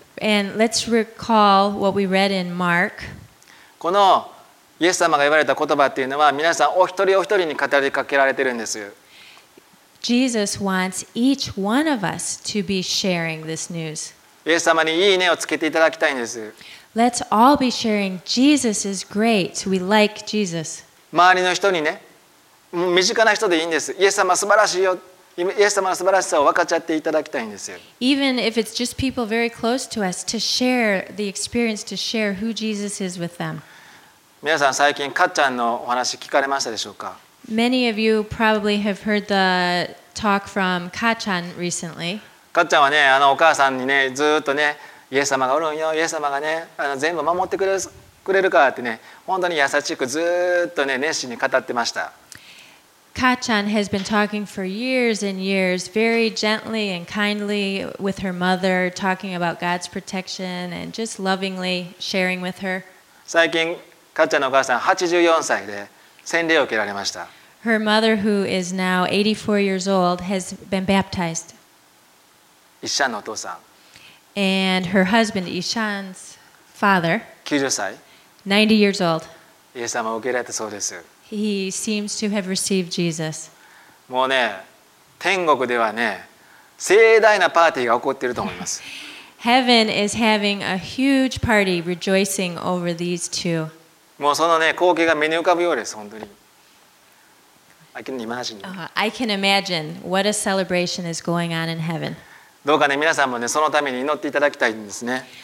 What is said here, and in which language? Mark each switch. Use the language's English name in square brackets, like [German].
[English] And let's recall what we read in Mark. [Japanese] このイエス様が言われた言葉っていうのは皆さんお一人お一人に語りかけられてるんです。 [English] Jesus wants each one of us to be sharing this news. [Japanese] イエス様にいいねをつけていただきたいんです。 [English] Let's all be sharing. Jesus is great. We like Jesus. [Japanese] 周りの人にね、身近な人でいいんです。イエス様素晴らしいよ。イエス様の素晴らしさを分かっちゃっていただきたいんですよ。 [English] Even if it's just people very close to us, to share the experience, to share who Jesus is with them. [Japanese] 皆さん最近かっちゃんのお話聞かれましたでしょうか? [English] Many of you probably have heard the talk from Ka-chan recently. [Japanese] かっちゃんはね、お母さんにね、ずっとね、イエス様がおるんよ、イエス様がね、全部守ってくれるからってね、本当に優しくずっとね、熱心に語ってました。 [English] Ka-chan has been talking for years and years, very gently and kindly with her mother, talking about God's protection and just lovingly sharing with her. [Japanese] 最近、Ka-chan のお母さん84歳で洗礼を受けられました。 [English] Her mother, who is now 84 years old, has been baptized. [Japanese] Ishan のお父さん。 [English] And her husband, Ishan's father, [Japanese] 90歳。 [English] 90 years old. [Japanese] イエス様を受けられたそうです。 [English] He seems to have received Jesus. [Japanese] もうね、天国ではね、盛大なパーティーが起こっていると思います。 [English] Heaven is having a huge party rejoicing over these two. [Japanese] もうそのね、光景が目に浮かぶようです、本当に。 [English] I can imagine. I can imagine what a celebration is going on in heaven. [Japanese] どうかね、皆さんもね、そのために祈っていただきたいんですね。